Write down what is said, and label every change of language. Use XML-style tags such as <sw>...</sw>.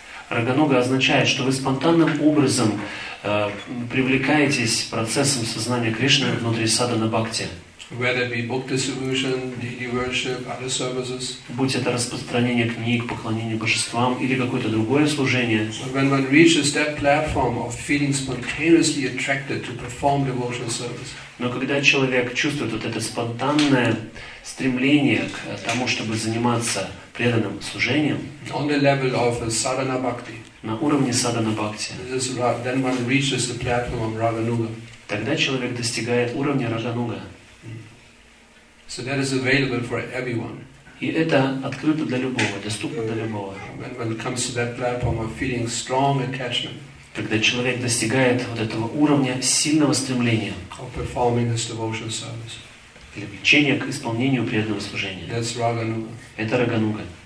<ru>Рагануга означает, что вы спонтанным образом привлекаетесь процессом сознания Кришны внутри садхана бхакти.</ru> <en>Whether it be book distribution, deity worship, other services.</en> <ru>Будь это распространение книг, поклонение божествам или какое-то другое служение.</ru> <en>When one reaches that platform of feeling spontaneously attracted to perform devotional service.</en> <ru>Но когда человек чувствует вот это спонтанное стремление к тому, чтобы заниматься преданным служением,</ru> <en>on the level of sadhana bhakti,</en> <ru>на уровне sadhana bhakti,</ru> <en>then one reaches the platform of Rāganuga.</en> <ru>Тогда человек достигает уровня Рагануга.</ru> <en>So that is available for everyone.</en> <ru>И это открыто для любого, доступно для любого.</ru> <en>When it comes to that platform of feeling strong attachment.</en> <ru>Когда человек достигает вот этого уровня сильного стремления</ru> <en>of performing his devotional service.</en> <ru>Для влечения к исполнению преданного служения.</ru> <en>That's Rāganuga.</en> <ru>Это Рагануга.</ru>